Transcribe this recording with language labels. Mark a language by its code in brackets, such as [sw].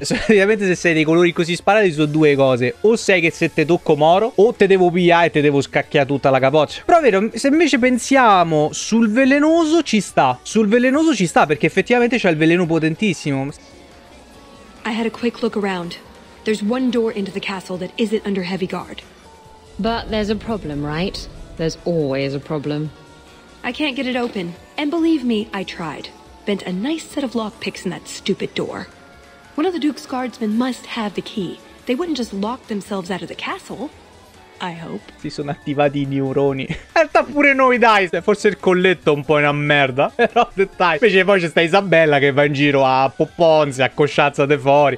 [it] Solitamente se sei dei colori così sparati sono due cose. O sei che se te tocco moro, o te devo pigliare e te devo scacchiare tutta la capoccia. Però è vero, se invece pensiamo sul velenoso, ci sta. Sul velenoso ci sta, perché effettivamente c'è il veleno potentissimo. [en] I had a quick look around. There's one door into the castle that isn't under heavy guard. But there's a problem, right? There's always a problem. I can't get it open. And believe me, I tried. Bent a nice set of lock picks in that stupid door. One of the Duke's guardsmen must have the key. They wouldn't just lock themselves out of the castle. I hope. [it] Si sono attivati i neuroni. Sta pure noi, dai. Forse il colletto è un po' una merda. Però dai. Invece poi c'è sta Isabella che va in giro a Popponzi, a cosciazza de fuori.